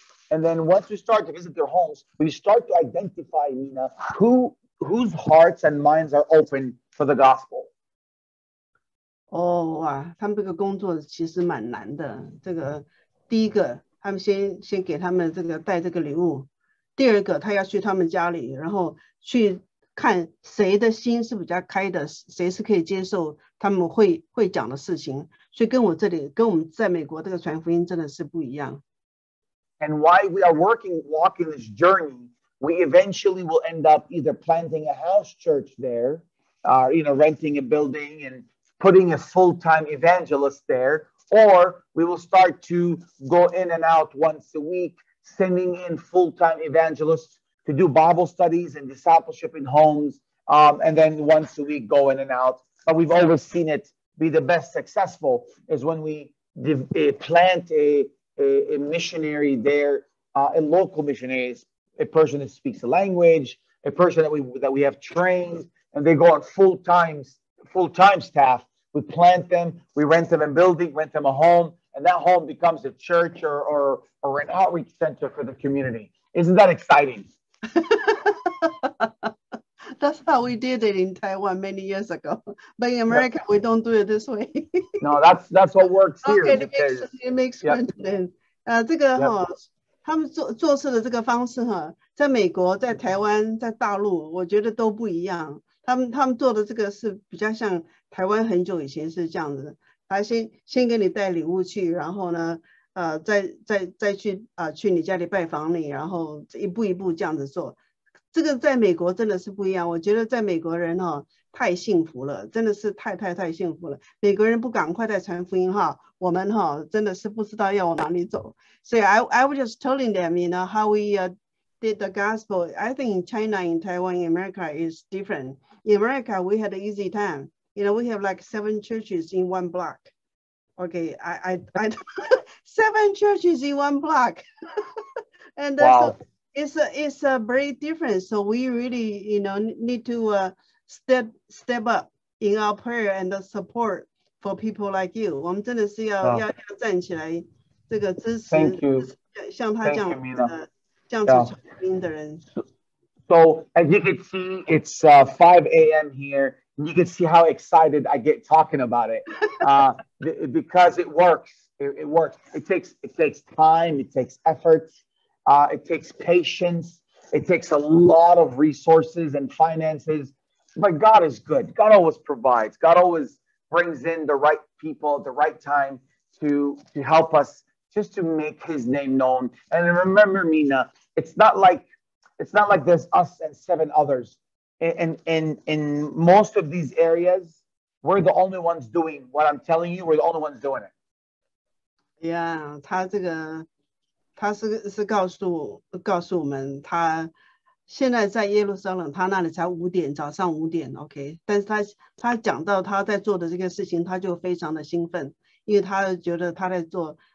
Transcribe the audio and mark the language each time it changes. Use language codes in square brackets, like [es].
[en] And then once we start to visit their homes, we start to identify, Mina, whose hearts and minds are open for the gospel. Oh, wow. [zh] 他们这个工作其实蛮难的。这个第一个，他们先给他们这个带这个礼物。第二个，他要去他们家里，然后去看谁的心是比较开的，谁是可以接受他们 会讲的事情。所以跟我这里，跟我们在美国这个传福音真的是不一样。 [en] And why we are working, walking this journey, we eventually will end up either planting a house church there, you know, renting a building and putting a full-time evangelist there, or we will start to go in and out once a week, sending in full-time evangelists to do Bible studies and discipleship in homes, and then once a week go in and out. But we've always seen it be the best successful is when we plant a missionary there, a local missionary, a person that speaks a language, a person that we have trained, and they go on full-time staff. We plant them, we rent them a building, rent them a home, and that home becomes a church or an outreach center for the community. Isn't that exciting? That's how we did it in Taiwan many years ago. But in America, yep. We don't do it this way. No, that's what works here. Okay, it makes sense. [zh] 这个哈，他们做事的这个方式哈，在美国、在台湾、在大陆，我觉得都不一样。他们做的这个是比较像台湾很久以前是这样子的，他先给你带礼物去，然后呢，再去去你家里拜访你，然后一步一步这样子做。这个在美国真的是不一样，我觉得在美国人哦太幸福了，真的是太幸福了。美国人不赶快在传福音哈，我们哈真的是不知道要往哪里走。所以 [en] I was just telling them, you know, how we did the gospel. I think in China, in Taiwan, in America is different. In America, we had an easy time. You know, we have like 7 churches in one block. Okay, I 7 churches in one block. And that's wow. It's a very different. So we really, you know, need to step up in our prayer and the support for people like you. [zh] 我们真的是要站起来，这个支持。 [en] Thank you. [zh] 像他这样子的。 [en] Yeah. So as you can see, it's 5 a.m. here. And you can see how excited I get talking about it because it works. It works. It takes time. It takes effort. It takes patience. It takes a lot of resources and finances. But God is good. God always provides. God always brings in the right people at the right time to help us just to make his name known. And remember, Mina, it's not like there's us and 7 others. In most of these areas, we're the only ones doing what I'm telling you. We're the only ones doing it. [zh] Yeah, 他是告诉我们，他现在在耶路撒冷，他那里才五点，早上五点 ，OK。但是他讲到他在做的这个事情，他就非常的兴奋，因为他觉得他在做。